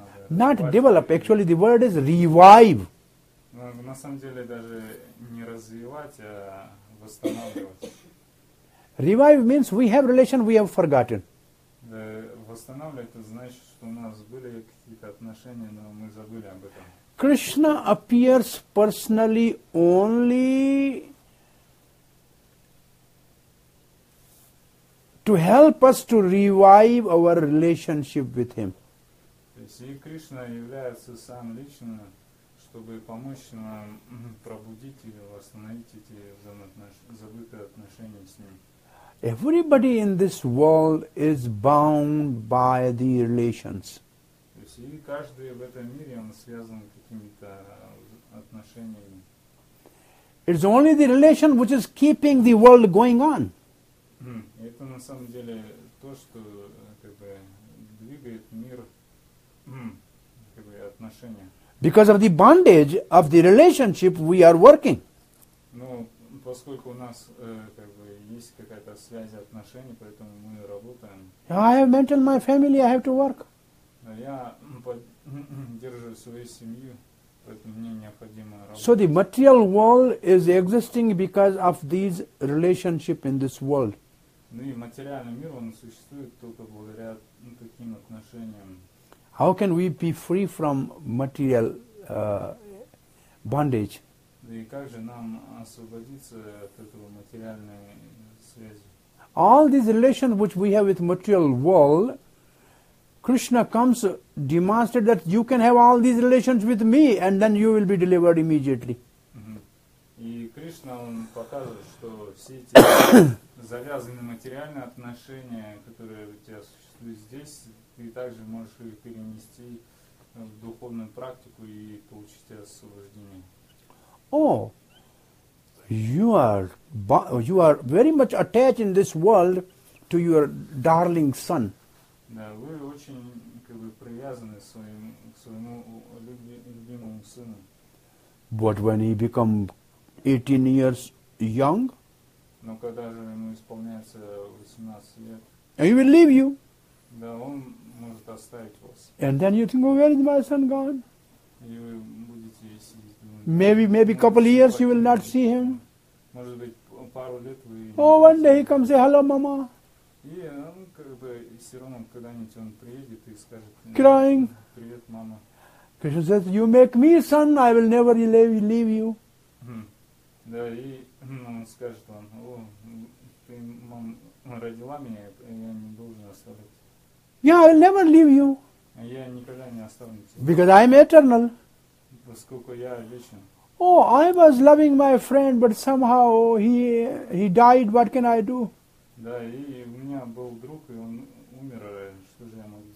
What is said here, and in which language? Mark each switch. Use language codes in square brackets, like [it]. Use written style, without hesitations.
[en] Not develop, actually the word is revive. [ru] На самом деле даже не развивать, а восстанавливать. [en] Revive means we have relation, we have forgotten. [ru] Восстанавливать это значит, что у нас были какие-то отношения, но мы забыли об этом. [en] Krishna appears personally only to help us to revive our relationship with him. [ru] И Кришна является сам лично, чтобы помочь нам пробудить или восстановить эти забытые отношения с ним. [en] Everybody in this world is bound by the relations. [ru] И каждый в этом мире он связан какими-то отношениями. [en] It's only the relation which is keeping the world going on. [ru] Это на самом деле то, что как бы двигает мир, как бы отношения. [en] Because of the bondage of the relationship, we are working. [ru] Ну, поскольку у нас как бы есть какая-то связь отношений, поэтому мы работаем. [en] I have mentioned my family, I have to work. [ru] Я поддерживаю свою семью, поэтому мне необходимо работать. [en] So the material world is existing because of these relationship in this world. [ru] Ну и материальный мир, он существует только благодаря таким отношениям. [en] How can we be free from material bondage? [ru] Да и как же нам освободиться от этого материальной связи? [en] All these relations which we have with material world, Krishna comes, demonstrate that you can have all these relations with me and then you will be delivered immediately. [ru] И Кришна, он показывает, что все эти завязанные материальные отношения, которые у тебя существуют здесь, ты также можешь их перенести в духовную практику и получить освобождение. [en] Oh, you are very much attached in this world to your darling son. [ru] Да, вы очень как бы привязаны своим, к своему любимому сыну. [en] But when he become 18 years young, [ru] но когда же ему исполняется 18 лет, [en] he will leave you. [ru] Да, он может оставить вас. [en] And then you think, oh, where is my son gone? [ru] И вы будете сидеть, [en] maybe couple years you will not see him. [ru] Может быть, пару лет вы. [en] Oh, one day he comes, say hello, mama. [ru] И он как бы все равно когда-нибудь он приедет и скажет. [en] Crying. [ru] Привет, мама. [en] Krishna says, you make me son, I will never leave you. [ru] Да, и он скажет вам, о, ты мам родила меня, я не должен оставлять. [en] Yeah, I will never leave you. [ru] Я никогда не оставлю тебя. [en] Because I am eternal. [ru] Поскольку я вечен. [en] Oh, I was loving my friend, but somehow he died, what can I do? [ru] Да, и у меня был друг, и он умер, что же я могу сделать?